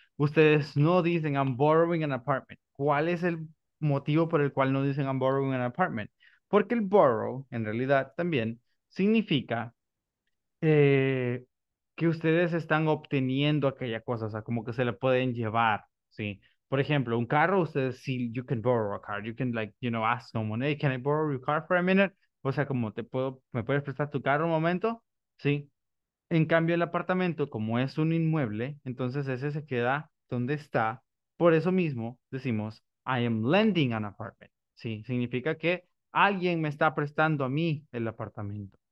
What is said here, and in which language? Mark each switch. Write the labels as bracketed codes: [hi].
[es] Ustedes no dicen, [en] I'm borrowing an apartment. [es] ¿Cuál es el motivo por el cual no dicen, I'm borrowing an apartment? Porque el borrow, en realidad, también significa que ustedes están obteniendo aquella cosa, o sea, como que se la pueden llevar, ¿sí? Por ejemplo, un carro, ustedes sí, [en] you can borrow a car. You can, like, you know, ask someone, hey, can I borrow your car for a minute? [es] O sea, como, ¿me puedes prestar tu carro un momento? Sí. En cambio, el apartamento, como es un inmueble, entonces ese se queda donde está. Por eso mismo decimos, [en] I am lending an apartment. [es] Sí, significa que alguien me está prestando a mí el apartamento.